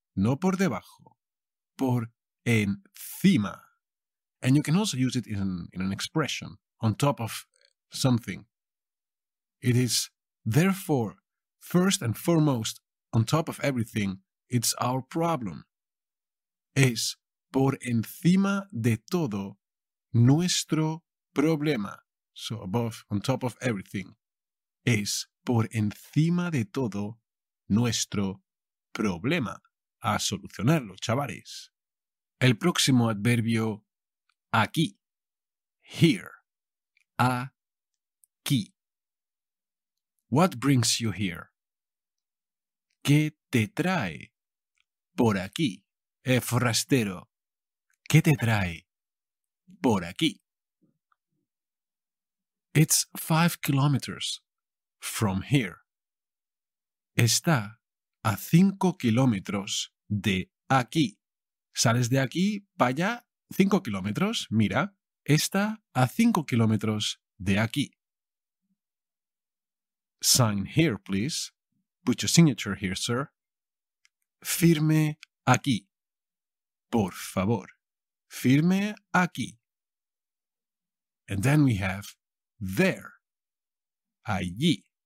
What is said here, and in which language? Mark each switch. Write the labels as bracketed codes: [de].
[es] No por debajo. Por encima. [en] And you can also use it in an expression. On top of something. It is, therefore, first and foremost, on top of everything, it's our problem. [es] Es por encima de todo nuestro problema. [en] So above, on top of everything. [es] Es por encima de todo nuestro problema. A solucionarlo, chavales. El próximo adverbio, aquí. [en] Here. [es] Aquí. [en] What brings you here? [es] ¿Qué te trae por aquí? Forastero. ¿Qué te trae por aquí? [en] It's 5 kilometers from here. [es] Está a 5 kilómetros de aquí. Sales de aquí, para allá, 5 kilómetros, mira. Está a 5 kilómetros de aquí. [en] Sign here, please. Put your signature here, sir. [es] Firme aquí. Por favor. Firme aquí. [en] And then we have there. [es] Allí.